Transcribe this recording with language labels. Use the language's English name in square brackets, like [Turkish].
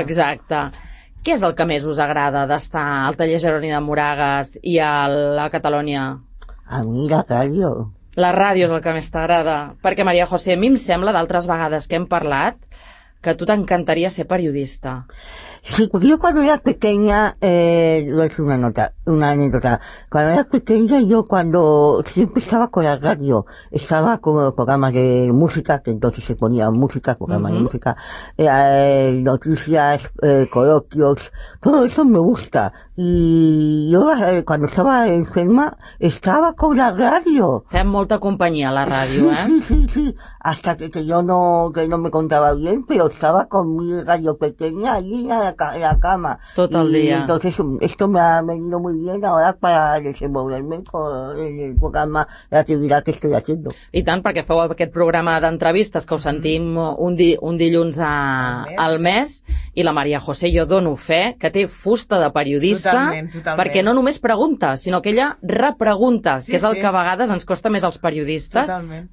[Catalan] Exacte. Què és el que més us agrada d'estar al taller Jeroni de Moragues i a la Catalunya? A mi la ràdio. La ràdio és el que més t'agrada. Perquè, Maria José, a mi em sembla, d'altres vegades que hem parlat, que a tu t'encantaria ser periodista. [Spanish] Sí, yo cuando era pequeña, es una anécdota. Cuando era pequeña, yo cuando siempre estaba con la radio, estaba con los programas de música, que entonces se ponía música, programas de música, noticias, coloquios, todo eso me gusta. Y yo cuando estaba enferma, estaba con la radio. [Catalan] Fem molta companyia a la ràdio, sí, sí, sí, sí. [Spanish] Hasta que yo no me contaba bien, pero estaba con mi radio pequeña allí en la cama. [Catalan] Tot el dia. [Spanish] Entonces, esto me ha venido muy bien ahora para desenvolverme en el programa de actividad que estoy haciendo. [Catalan] I tant, perquè feu aquest programa d'entrevistes que ho sentim un dilluns al mes, i la Maria José, jo dono fe, que té fusta de periodista. Totalment. Perquè no només pregunta, sinó que ella repregunta, sí, que és el sí. que a vegades ens costa més als periodistes. Totalment.